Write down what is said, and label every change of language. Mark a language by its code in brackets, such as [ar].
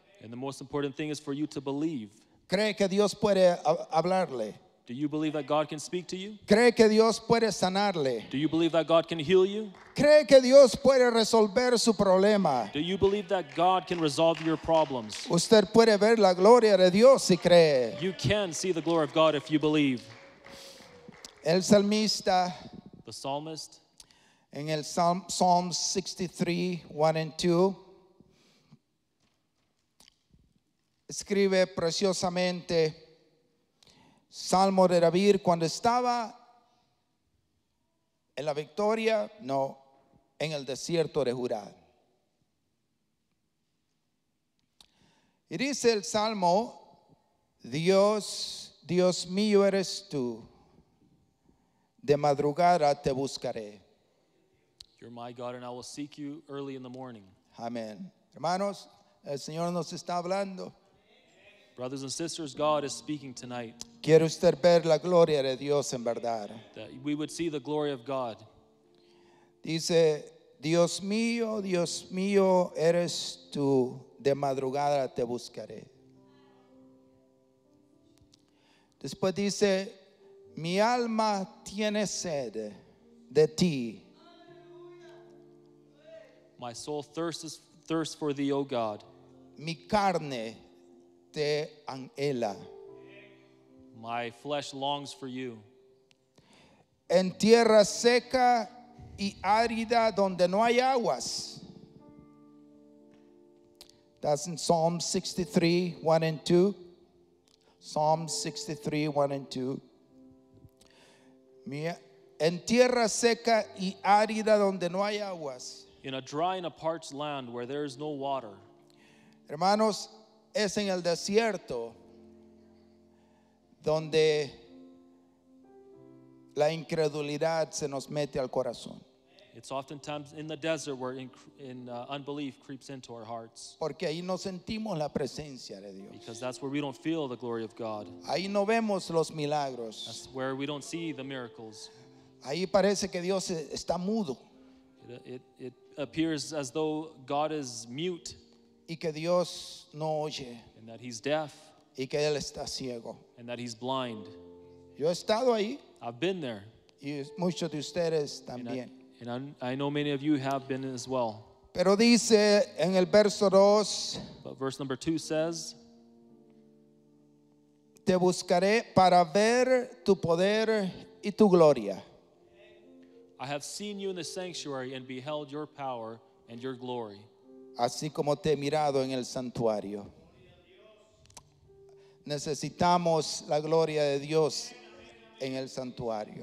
[en] And the most important thing is for you to believe. [es] ¿Cree que Dios puede hablarle? [en] Do you believe that God can speak to you? [es] ¿Cree que Dios puede sanarle? [en] Do you believe that God can heal you? [es] ¿Cree que Dios puede resolver su problema? [en] Do you believe that God can resolve your problems? [es] Usted puede ver la gloria de Dios si cree. [en] You can see the glory of God if you believe. [es] El salmista. [en] The psalmist. [es] En el [en] Psalm 63, 1 and 2. [es] Escribe preciosamente. Salmo de David, cuando estaba en la victoria, no, en el desierto de Judá. Y dice el Salmo, Dios, Dios mío eres tú, de madrugada te buscaré. [en] You're my God and I will seek you early in the morning. [es] Amén. Hermanos, el Señor nos está hablando. [en] Brothers and sisters, God is speaking tonight. [es] ¿Quiere usted ver la gloria de Dios en verdad? [en] That we would see the glory of God. [es] Dice, Dios mío eres tú, de madrugada te buscaré. Después dice, mi alma tiene sed de ti. [en] My soul thirsts for thee, O God. [es] Mi carne te anhela. [en] My flesh longs for you. [es] En tierra seca y árida donde no hay aguas. [en] That's in Psalm 63, 1 and 2. Psalm 63, 1 and 2. [es] En tierra seca y árida donde no hay aguas. [en] In a dry and a parched land where there is no water. [es] Hermanos, es en el desierto donde la incredulidad se nos mete al corazón. [en] It's oftentimes in the desert where unbelief creeps into our hearts. [es] Porque ahí no sentimos la presencia de Dios. [en] Because that's where we don't feel the glory of God. [es] Ahí no vemos los milagros. [en] That's where we don't see the miracles. [es] Ahí parece que Dios está mudo. [en] It appears as though God is mute. [es] Y que Dios no oye. [en] And that he's deaf. [es] Y que él está ciego. [en] And that he's blind. [es] Yo he estado ahí. [en] I've been there. [es] Y muchos de ustedes también. [en] And I know many of you have been as well. [es] Pero dice en el verso 2. [en] But verse number 2 says. [es] Te buscaré para ver tu poder y tu gloria. [en] I have seen you in the sanctuary and beheld your power and your glory. [es] Así como te he mirado en el santuario. Necesitamos la gloria de Dios en el santuario.